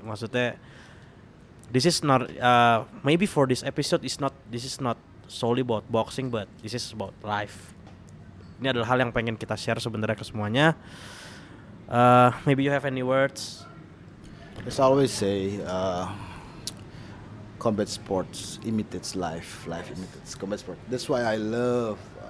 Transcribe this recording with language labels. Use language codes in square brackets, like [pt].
[en] Maksudnya, this is not, maybe for this episode is not solely about boxing, but this is about life. [id] Ini adalah hal yang pengen kita share sebenarnya ke semuanya. [en] Maybe you have any words? As I always say, combat sports imitates life, life imitates combat sport. That's why I love